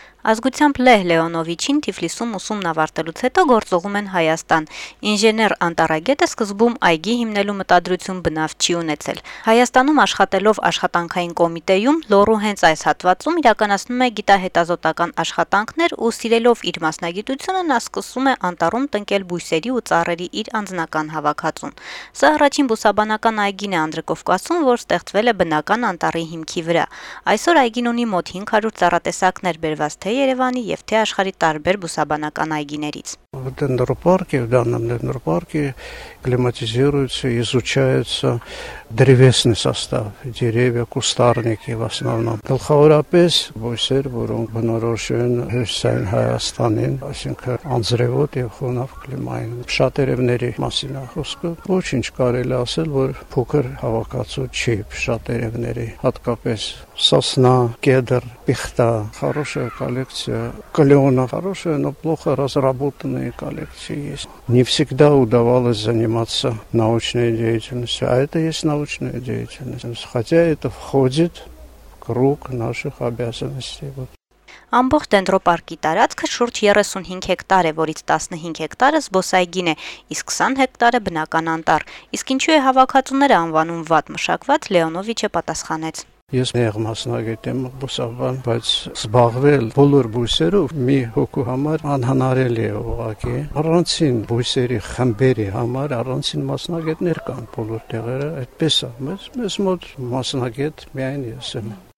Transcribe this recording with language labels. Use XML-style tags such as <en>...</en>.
<hy>Ազգությամբ Լեհ Լեոնովիչին Թիֆլիսում ուսումն ավարտելուց հետո գործողում են Հայաստան։ Ինժեներ Անտարագետը սկզբում այգի հիմնելու մտադրություն բնավ չի ունեցել։ Հայաստանում աշխատելով աշխատանքային կոմիտեում լորու հենց այս հատվածում իրականացնում է գիտահետազոտական աշխատանքներ ու սիրելով իր մասնագիտությունը նա սկսում է անտառում տնկել բույսերի ու ծառերի իր անձնական հավաքածուն։ Սա առաջին բուսաբանական այգին է Անդրկովկասում, որ ստեղծվել է բնական անտառի հիմքի վրա։ Այսօր այգին ունի մոտ 500 ծառատեսակներ բերված թե Երևանի և թե աշխարի տարբեր բուսաբանական այգիներից։</hy> <ru>Դենդրոպարկը, в данном Դենդրոպարկը կլիմատիզируется, изучается древесный состав, деревья, кустарники в основном.</ru> <hy>Գլխավորապես բույսեր, որոնք բնորոշ են հյուսիսային Հայաստանին, այսինքն անձրևոտ և խոնավ կլիմային։ Շատ երևների մասին խոսքը, ոչինչ կարելի ասել, որ փոքր հավաքածու չի շատ երևների, հատկապես</hy> <ru>сосна, кедр, пихта, хорошая коллекция. Клёна хорошая, но плохо разработанные коллекции есть. Не всегда удавалось заниматься научной деятельностью, а это есть научная деятельность. Хотя это входит в круг наших обязанностей.</ru> <hy>Ամբողջ դենդրոպարկի տարածքը շուրջ 35 հեկտար է, որից 15 հեկտարը զբոսայգին է, իսկ 20 հեկտարը բնական անտառ։ Իսկ ինչու է հավաքածուները անվանում վատ մշակված, Լեոնովիչը պատասխանեց. Ես նեղ մասնագետ եմ բուսաբան, բայց զբաղվել բոլոր բույսերով մի հոգու համար անհնարելի է ուղղակի։ Առանցին բույսերի խմբերի համար առանցին մասնագետներ կան բոլոր տեղերը, այդպես է, մեզ մոտ մասնագետ միայն ես եմ։</hy>